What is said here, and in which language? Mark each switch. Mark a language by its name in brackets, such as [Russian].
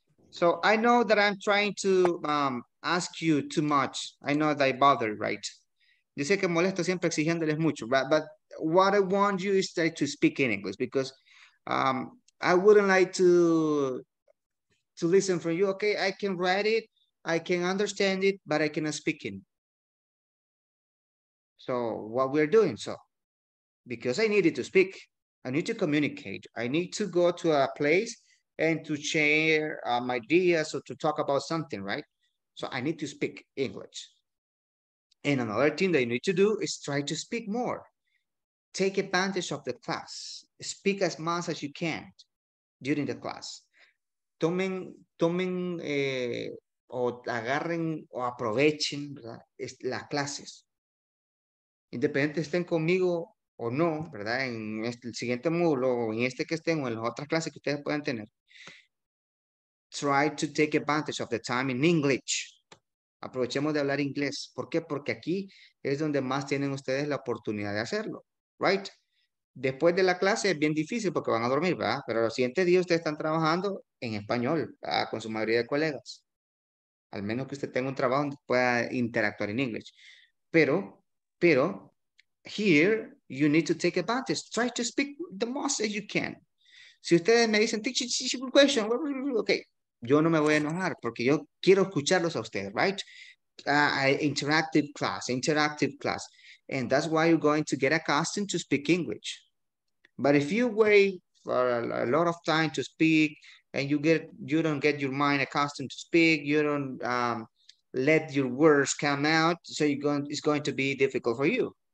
[English] So I know that I'm trying to ask you too much. I know that I bother, right? [Spanish] Yo sé que molesto siempre exigiéndoles mucho, right? [English] But what I want you is to speak in English, because I wouldn't like to listen from you. Okay, I can write it, I can understand it, but I cannot speak in. So what we're doing, so because I needed to speak, I need to communicate. I need to go to a place and to share my ideas or to talk about something, right? So I need to speak English. And another thing that you need to do is try to speak more. Take advantage of the class. Speak as much as you can during the class. [Spanish] Agarren o aprovechen, ¿verdad? Las clases. Independiente estén conmigo o no, ¿verdad? En el siguiente módulo, o en este que estén, o en las otras clases que ustedes puedan tener. [English] Try to take advantage of the time in English. [Spanish] Aprovechemos de hablar inglés. ¿Por qué? Porque aquí es donde más tienen ustedes la oportunidad de hacerlo. ¿Right? Después de la clase es bien difícil porque van a dormir, ¿verdad? Pero los siguientes días ustedes están trabajando en español, ¿verdad? Con su mayoría de colegas. Al menos que usted tenga un trabajo donde pueda interactuar en inglés. Pero [English] Pero here you need to take advantage. Try to speak the most as you can. [Spanish] Si ustedes me dicen, teacher, question, okay, yo no me voy a enojar porque yo quiero escucharlos a ustedes, right? [English] Interactive class. And that's why you're going to get accustomed to speak English. But if you wait for a lot of time to speak and you don't get your mind accustomed to speak, you don't let your words come out, so it's going to be difficult for you.